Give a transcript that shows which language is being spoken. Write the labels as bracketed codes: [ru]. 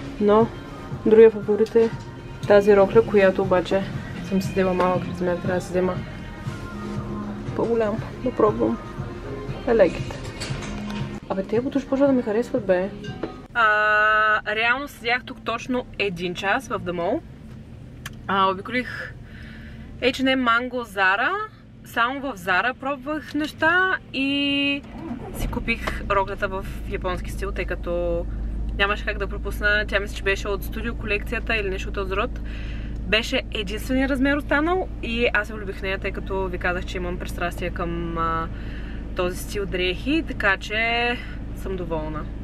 [bg] Но другия фаворит е тази рокля, която обаче съм си взела малък размер, трябва да си взема по-голям. Но пробвам. [en] I like it. [bg] Абе, тези бутуши почва да ми харесват, бе. Реално седях тук точно един час в The Mall. Обиколих H&M, Mango, Zara. Само в Zara пробвах неща и си купих роклята в японски стил, тъй като нямаше как да пропусна. Тя мисля, че беше от студио колекцията или нещо от този род. Беше единствения размер останал и аз се влюбих в нея, тъй като ви казах, че имам пристрастие към този стил дрехи, така че съм доволна.